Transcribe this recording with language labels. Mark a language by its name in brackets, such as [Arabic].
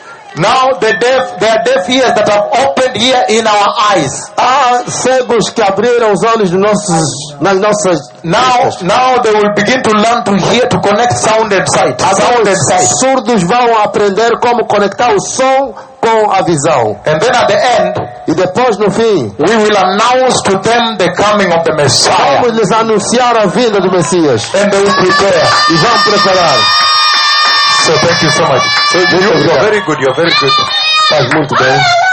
[English] Now the deaf ears that have opened here in our eyes. [Portuguese] Ah, cegos que abriram os olhos nas nossas. [English] Now they will begin to learn to hear, to connect sound and sight. Sound and sight. [Portuguese] Surdos vão aprender como conectar o som com a visão. [English] And then at the end, [Portuguese] e depois no fim, [English] we will announce to them the coming of the Messiah. [Portuguese] Vamos lhes anunciar a vinda do Messias. [English] And they will prepare. [Portuguese] E vão preparar. [English] So thank you so much. So you're very good. You're very good. [Portuguese] Faz muito bem.